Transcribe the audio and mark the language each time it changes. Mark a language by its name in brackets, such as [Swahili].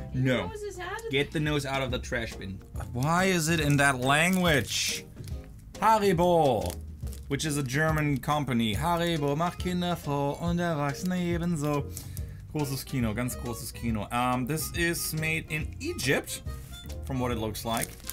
[English] No, get the nose out of the trash bin. Why is it in that language? Haribo, which is a German company. [German] Haribo macht Kinder froh und Erwachsene ebenso. Großes Kino, ganz großes Kino. [English] This is made in Egypt, from what it looks like.